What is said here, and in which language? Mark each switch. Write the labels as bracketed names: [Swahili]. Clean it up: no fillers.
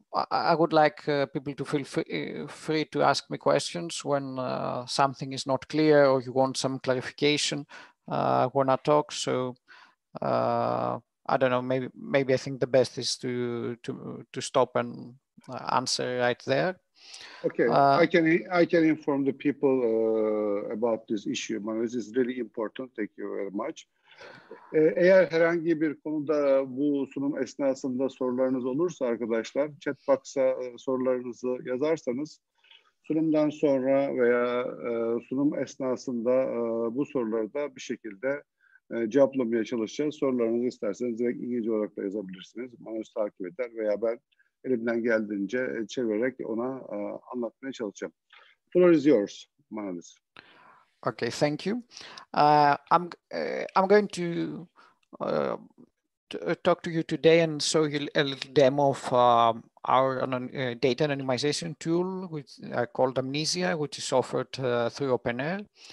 [English] I would like people to feel free to ask me questions when something is not clear or you want some clarification when I talk. So I don't know. Maybe I think the best is to stop and answer right there. Okay, I can inform the people about this issue. Manoj, this is really important. Thank you very much. [Turkish] Eğer herhangi bir konuda bu sunum esnasında sorularınız olursa arkadaşlar, chatbox'a sorularınızı yazarsanız sunumdan sonra veya sunum esnasında bu soruları da bir şekilde cevaplamaya çalışacağız. Sorularınızı isterseniz direkt İngilizce olarak da yazabilirsiniz. Manoj takip eder veya ben elimden geldiğince çevirerek ona anlatmaya çalışacağım. [English] Floor is yours, Manoj. Okay, thank you. I'm going to talk to you today and show you a little demo of our data anonymization tool, which I called Amnesia, which is offered through OpenAI.